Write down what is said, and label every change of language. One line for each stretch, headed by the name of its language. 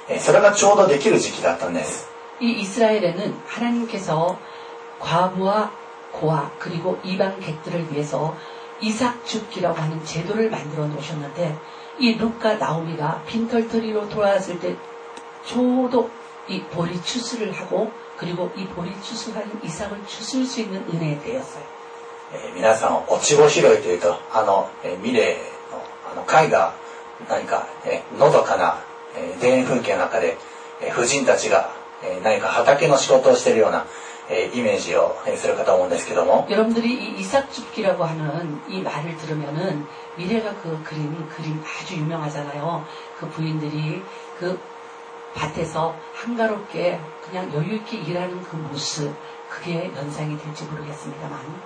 Japanese: というのは、ちょうどですね、イスラエルには落ち穂拾いという、それ神様の定めた憐みの習慣がありまして、それがちょうどできる時期だったんです。
Korean: 이 이스라엘에는 하나님께서 과부와 고아 그리고 이방 객들을 위해서 이삭 줍기라고 하는 제도를 만들어 놓으셨는데 이 룻과 나오미가 빈털터리로 돌아왔을 때 저도 이 보리 추수를 하고 그리고 이 보리 추수하는 이삭을 추수할 수 있는 은혜에 되었어요.
Japanese: 皆さん落ち穂拾いというと、ミレーの絵画、のどかな田園風景の中で婦人たちが何か畑の仕事をしているような。
Korean: 이미지요. 여러분들이 이 이삭 줍기라고 하는 이 말을 들으면은 미래가 그 그림 그림 아주 유명하잖아요. 그 부인들이 그 밭에서 한가롭게 그냥 여유 있게 일하는 그 모습 그게 연상이 될지 모르겠습니다만.